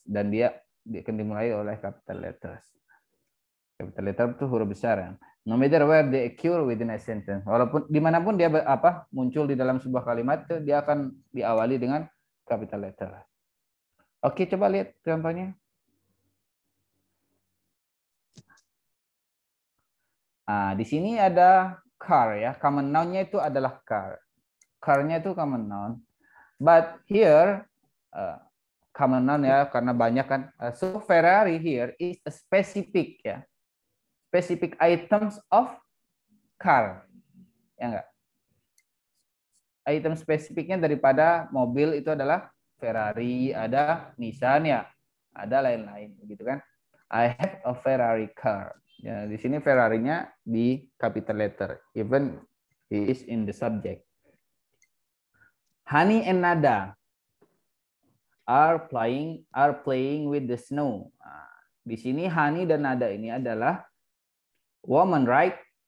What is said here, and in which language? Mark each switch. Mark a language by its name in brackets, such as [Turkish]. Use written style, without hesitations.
[Indonesian] Dan dia akan dimulai oleh capital letters. Capital letter itu huruf besar. Ya? [English] No matter where they occur within a sentence. [Indonesian] Walaupun dimanapun dia muncul di dalam sebuah kalimat, dia akan diawali dengan capital letter. Oke, coba lihat contohnya. Nah, di sini ada car. Ya. Common noun-nya itu adalah car. Car-nya itu common noun. [English] But here, [Indonesian] common noun ya karena banyak kan. [English] So Ferrari here is a specific ya. Specific items of car. [Indonesian] Ya enggak? Item spesifiknya daripada mobil itu adalah Ferrari, ada Nissan ya, ada lain-lain gitu kan. [English] I have a Ferrari car. [Indonesian] Ya di sini Ferrari-nya di [English] capital letter. Even he is in the subject. Honey and Nada are playing with the snow. [Indonesian] Di sini Honey dan Nada ini adalah woman, right?